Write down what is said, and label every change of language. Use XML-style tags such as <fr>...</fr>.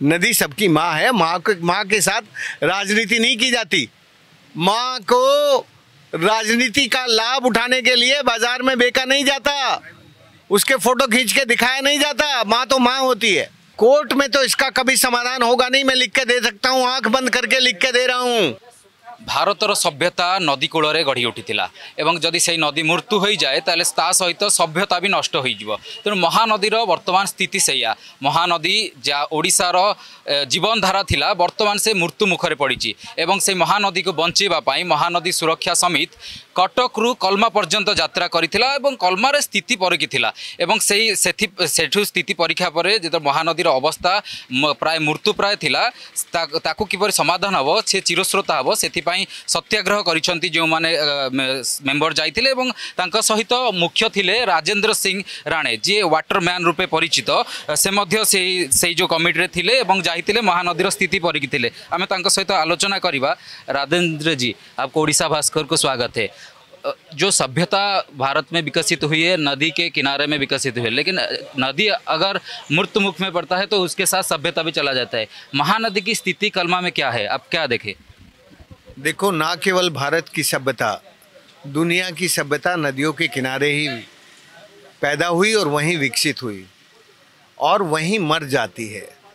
<hi>नदी सबकी माँ है, माँ के साथ राजनीति नहीं की जाती। माँ को राजनीति का लाभ उठाने के लिए बाजार में बेचा नहीं जाता, उसके फोटो खींच के दिखाया नहीं जाता। माँ तो माँ होती है। कोर्ट में तो इसका कभी समाधान होगा नहीं, मैं लिख के दे सकता हूँ, आंख बंद करके लिख के दे रहा हूँ।</hi> <or>ଭାରତର ସଭ୍ୟତା ନଦୀକୂଳରେ ଗଢ଼ି ଉଠିଥିଲା ଏବଂ ଯଦି ସେହି ନଦୀ ମୃତ୍ୟୁ ହୋଇଯାଏ ତାହେଲେ ତା ସହିତ ସଭ୍ୟତା ବି ନଷ୍ଟ ହୋଇଯିବ। ତେଣୁ ମହାନଦୀର ବର୍ତ୍ତମାନ ସ୍ଥିତି ସେଇଆ। ମହାନଦୀ ଯା ଓଡ଼ିଶାର ଜୀବନଧାରା ଥିଲା, ବର୍ତ୍ତମାନ ସେ ମୃତ୍ୟୁ ମୁଖରେ ପଡ଼ିଛି ଏବଂ ସେ ମହାନଦୀକୁ ବଞ୍ଚାଇବା ପାଇଁ ମହାନଦୀ ସୁରକ୍ଷା ସମିତ କଟକରୁ କଲମା ପର୍ଯ୍ୟନ୍ତ ଯାତ୍ରା କରିଥିଲା ଏବଂ କଲମାରେ ସ୍ଥିତି ପରିଖିଥିଲା ଏବଂ ସେଠୁ ସ୍ଥିତି ପରୀକ୍ଷା ପରେ ଯେତେବେଳେ ମହାନଦୀର ଅବସ୍ଥା ପ୍ରାୟ ମୃତ୍ୟୁପ୍ରାୟ ଥିଲା ତାକୁ କିପରି ସମାଧାନ ହେବ, ସେ ଚିରଶ୍ରୋତା ହେବ, ସେଥିପାଇଁ ସତ୍ୟାଗ୍ରହ କରିଛନ୍ତି ଯେଉଁମାନେ ମେମ୍ବର ଯାଇଥିଲେ ଏବଂ ତାଙ୍କ ସହିତ ମୁଖ୍ୟ ଥିଲେ ରାଜେନ୍ଦ୍ର ସିଂ ରାଣେ, ଯିଏ ୱାଟରମ୍ୟାନ୍ ରୂପେ ପରିଚିତ। ସେ ମଧ୍ୟ ସେଇ ଯେଉଁ କମିଟିରେ ଥିଲେ ଏବଂ ଯାଇଥିଲେ ମହାନଦୀର ସ୍ଥିତି ପରିଖିଥିଲେ। ଆମେ ତାଙ୍କ ସହିତ ଆଲୋଚନା କରିବା। ରାଜେନ୍ଦ୍ର ଜୀ, ଆପଣଙ୍କୁ ଓଡ଼ିଶା ଭାସ୍କରକୁ ସ୍ୱାଗତ ହେ।</or> <hi>जो सभ्यता भारत में विकसित हुई है नदी के किनारे में विकसित हुई है, लेकिन नदी अगर मृत्यु मुख में पड़ता है तो उसके साथ सभ्यता भी चला जाता है। महानदी की स्थिति कलमा में क्या है, आप क्या देखे? देखो, ना केवल भारत की सभ्यता, दुनिया की सभ्यता नदियों के किनारे ही पैदा हुई और वहीं विकसित हुई और वहीं मर जाती है।</hi>